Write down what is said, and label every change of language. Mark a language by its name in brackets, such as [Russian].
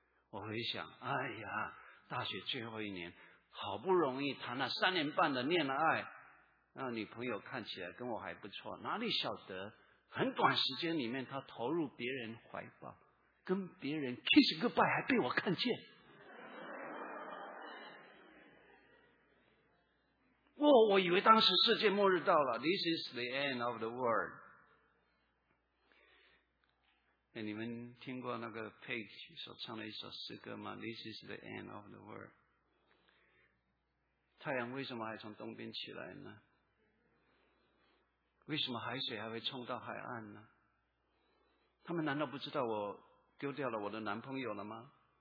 [Chinese] 我回想，哎呀，大学最后一年好不容易谈了3年半的恋爱，那女朋友看起来跟我还不错，哪里晓得很短时间里面她投入别人怀抱，跟别人 [English] kiss goodbye [Chinese] 还被我看见。我以为当时世界末日到了， [English] This is the end of the world。 [Chinese] 哎，你们听过那个 Page 所唱的一首诗歌吗？ [English] This is the end of the world。 [Chinese] 太阳为什么还从东边起来呢？为什么海水还会冲到海岸呢？他们难道不知道我丢掉了我的男朋友了吗？